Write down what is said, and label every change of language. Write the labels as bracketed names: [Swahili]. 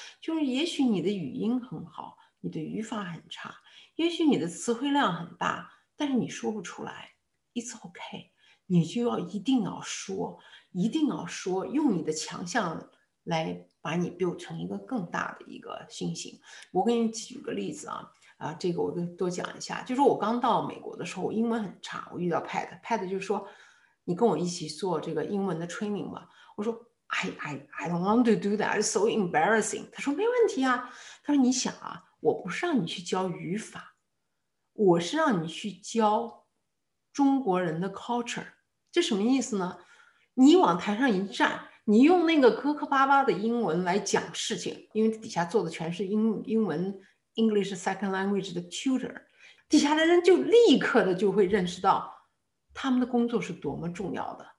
[Chinese] 就是也许你的语音很好，你的语法很差，也许你的词汇量很大，但是你说不出来 [English] It's OK， [Chinese] 你就要一定要说，用你的强项来把你 build 成一个更大的一个星星。我给你举个例子这个我多讲一下，就是我刚到美国的时候，我英文很差，我遇到 Pat 就说你跟我一起做这个英文的 training 吧。 [English] 我说I don't want to do that, it's so embarrassing。 [Chinese] 他说没问题啊，他说你想啊，我不是让你去教语法，我是让你去教中国人的 culture。这什么意思呢？你往台上一站，你用那个磕磕巴巴的英文来讲事情，因为底下坐的全是 英文 [English] English second language [Chinese] 的 tutor， 底下的人就立刻的就会认识到他们的工作是多么重要的。